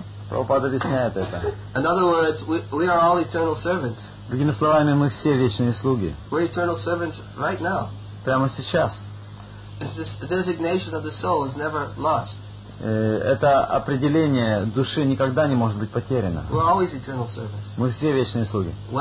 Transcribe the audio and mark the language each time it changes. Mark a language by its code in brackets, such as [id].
[ru] Прабхупада объясняет это. [en] In other words, we are all eternal servants. [ru] Другими словами, мы все вечные слуги. [en] We're eternal servants right now. [ru] Прямо сейчас. [en] This designation of the soul is never lost. [ru] Это определение души никогда не может быть потеряно. Мы все вечные слуги.